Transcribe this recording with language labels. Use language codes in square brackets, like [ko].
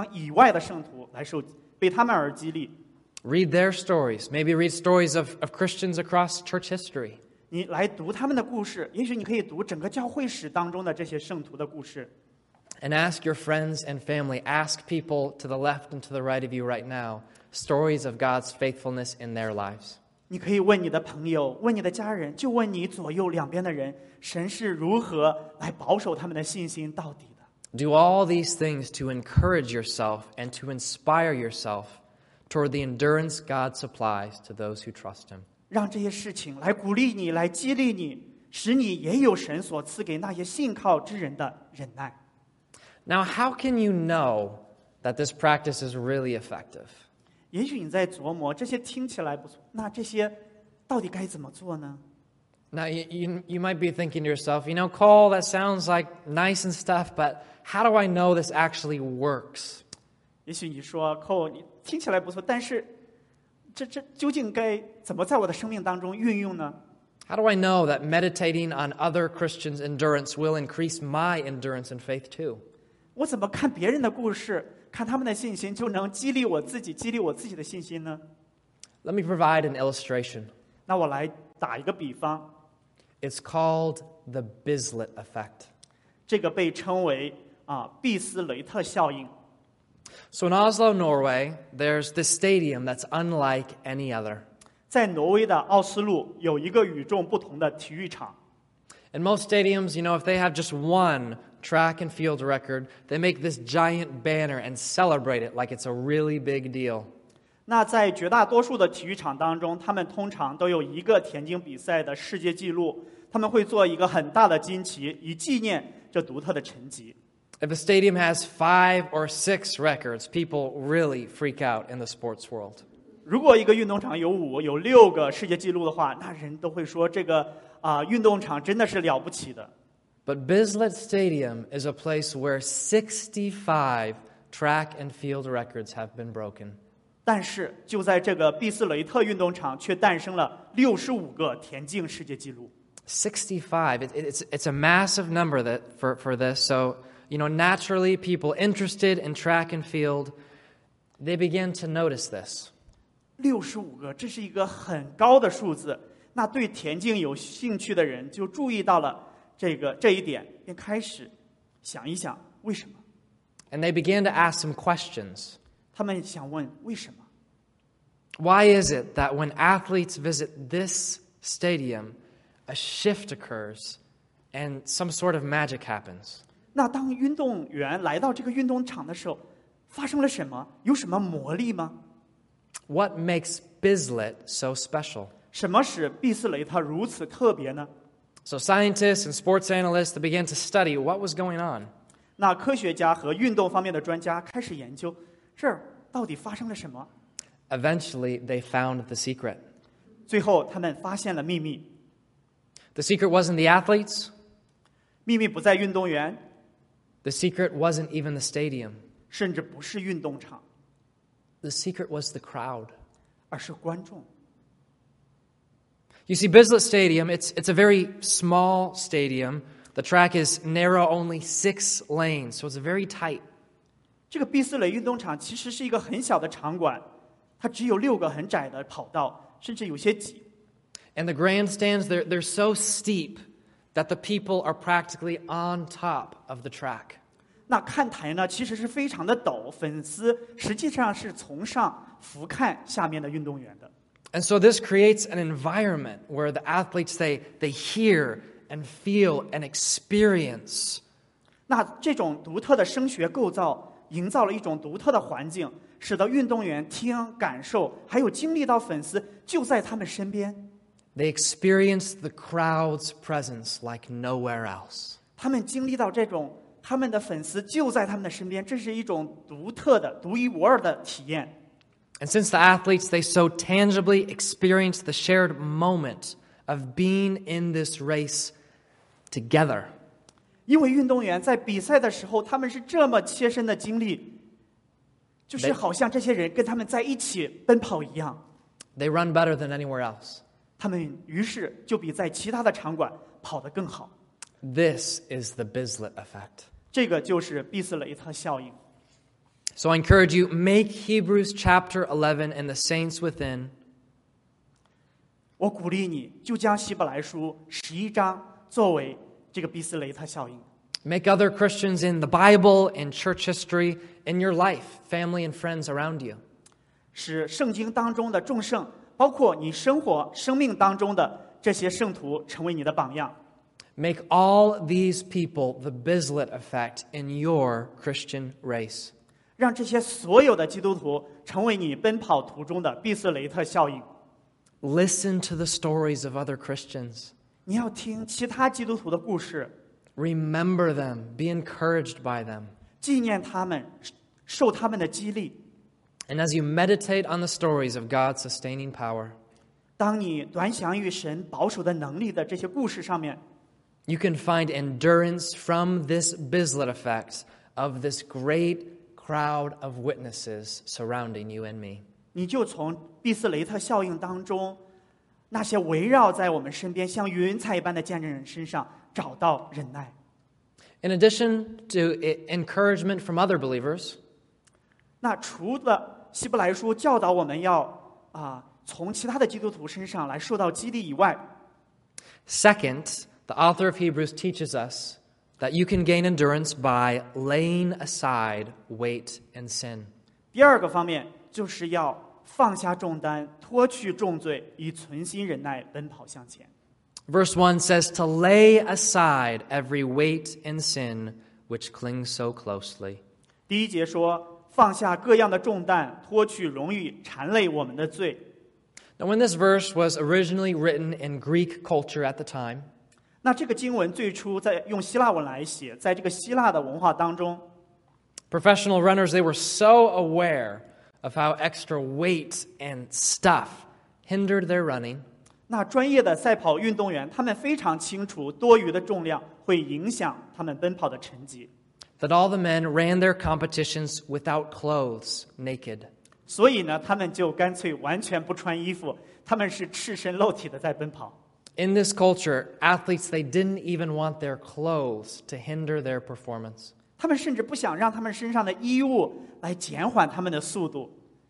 [zh] 你当然也可以被这个希伯来书11章以外的圣徒来受,被他们而激励。 [en] Read their stories. Maybe read stories of Christians across church history. [zh] 你来读他们的故事, 也许你可以读整个教会史当中的这些圣徒的故事。 [en] And ask your friends and family, ask people to the left and to the right of you right now, stories of God's faithfulness in their lives. [zh] 你可以问你的朋友, 问你的家人, 就问你左右两边的人, 神是如何来保守他们的信心到底的。 [en] Do all these things to encourage yourself and to inspire yourself toward the endurance God supplies to those who trust Him. [zh] 让这些事情来鼓励你, 来激励你, 使你也有神所赐给那些信靠之人的忍耐。 [en] Now, how can you know that this practice is really effective? [zh] 也许你在琢磨, 这些听起来不错, 那这些到底该怎么做呢? [en] Now, you might be thinking to yourself, you know, Cole, that sounds like nice and stuff, but how do I know this actually works? [zh] 也许你说, Cole, 听起来不错, 但是这究竟该怎么在我的生命当中运用呢? [en] How do I know that meditating on other Christians' endurance will increase my endurance and faith too? [zh] 我怎么看别人的故事, 看他们的信心就能激励我自己, 激励我自己的信心呢? [en] Let me provide an illustration. [zh] 那我来打一个比方。 [en] It's called the Bislett Effect. [zh] 这个被称为, 毕斯雷特效应。 [en] So in Oslo, Norway, there's this stadium that's unlike any other. [zh] 在挪威的奥斯陆有一个与众不同的体育场。 [en] In most stadiums, you know, if they have just one track and field record, they make this giant banner and celebrate it like it's a really big deal. [zh] 那在绝大多数的体育场当中,他们通常都有一个田径比赛的世界纪录,他们会做一个很大的旌旗,以纪念这独特的成绩。 [en] If a stadium has five or six records, people really freak out in the sports world. [zh] 如果一个运动场有五、有六个世界纪录的话，那人都会说这个运动场真的是了不起的。 [en] But Bislett Stadium is a place where 65 track and field records have been broken. [zh] 但是就在这个毕斯雷特运动场，却诞生了65个田径世界纪录。 [en] 65—it's a massive number that for this. So, you know, naturally, people interested in track and field, they begin to notice this. [zh] 65个，这是一个很高的数字。那对田径有兴趣的人就注意到了。这一点便开始想一想为什么。 [en] And they began to ask some questions. [zh] 他们想问为什么。 [en] Why is it that when athletes visit this stadium, a shift occurs and some sort of magic happens? [zh] 那当运动员来到这个运动场的时候，发生了什么？有什么魔力吗？ [en] What makes Bislett so special? [zh] 什么使毕斯雷特如此特别呢？ [en] So scientists and sports analysts began to study what was going on. [zh] 那科学家和运动方面的专家开始研究，这儿到底发生了什么？ [en] Eventually, they found the secret. [zh] 最后他们发现了秘密。 [en] The secret wasn't the athletes. [zh] 秘密不在运动员。 [en] The secret wasn't even the stadium. [zh] 甚至不是运动场。 [en] The secret was the crowd. [zh] 而是观众。 [en] You see, Bislett Stadium, it's a very small stadium. The track is narrow, only 6 lanes, so it's very tight. [zh] 这个毕斯雷运动场其实是一个很小的场馆，它只有六个很窄的跑道，甚至有些挤。 [en] And the grandstands, they're so steep that the people are practically on top of the track. [zh] 那看台呢，其实是非常的陡，粉丝实际上是从上俯瞰下面的运动员的。 [en] And so this creates an environment where the athletes, they hear and feel and experience. [zh] 那这种独特的声学构造营造了一种独特的环境，使得运动员听、感受，还有经历到粉丝就在他们身边。 [en] They experience the crowd's presence like nowhere else. [zh] 他们经历到这种，他们的粉丝就在他们的身边，这是一种独特的、独一无二的体验。 [en] And since the athletes, they so tangibly experience the shared moment of being in this race together. [zh] 因为运动员在比赛的时候，他们是这么切身的经历，就是好像这些人跟他们在一起奔跑一样。 [en] They run better than anywhere else. [zh] 他们于是就比在其他的场馆跑得更好。 [en] This is the Bislett effect. [zh] 这个就是毕斯雷特效应。 [en] So I encourage you, make Hebrews chapter 11 and the saints within. [zh] 我鼓励你就将希伯来书十一章作为这个毕斯雷特效应。 [en] Make other Christians in the Bible, in church history, in your life, family and friends around you. [zh] 使圣经当中的众圣，包括你生活、生命当中的这些圣徒成为你的榜样。 [en] Make all these people the Bislett effect in your Christian race. [zh] 让这些所有的基督徒成为你奔跑途中的毕斯雷特效应。 [en] Listen to the stories of other Christians. [zh] 你要听其他基督徒的故事。 [en] Remember them, be encouraged by them. [zh] 纪念他们，受他们的激励。 [en] And as you meditate on the stories of God's sustaining power, [zh] 当你端详于神保守的能力的这些故事上面， [en] you can find endurance from this Bislett effect of this great. Crowd of witnesses surrounding you and me. [zh] 你就从毕斯雷特效应当中，那些围绕在我们身边像云彩一般的见证人身上找到忍耐。 [en] In addition to encouragement from other believers, [zh] 那除了希伯来书教导我们要从其他的基督徒身上来受到激励以外 [en] ，Second, the author of Hebrews teaches us. That you can gain endurance by laying aside weight and sin. [zh] 第二个方面就是要放下重担，脱去重罪，以存心忍耐奔跑向前。 [en] Verse 1 says to lay aside every weight and sin which clings so closely. [zh] 第一节说放下各样的重担，脱去容易缠累我们的罪。 [en] Now, when this verse was originally written in Greek culture at the time. [zh] 那这个经文最初在用希腊文来写，在这个希腊的文化当中 [en] ，professional runners they were so aware of how extra weight and stuff hindered their running. [zh] 那专业的赛跑运动员，他们非常清楚多余的重量会影响他们奔跑的成绩。 [en] That all the men ran their competitions without clothes, naked. [zh] 所以呢，他们就干脆完全不穿衣服，他们是赤身露体的在奔跑。 [en] In this culture, athletes, they didn't even want their clothes to hinder their performance. [zh] 他们甚至不想让他们身上的衣物来减缓他们的速度。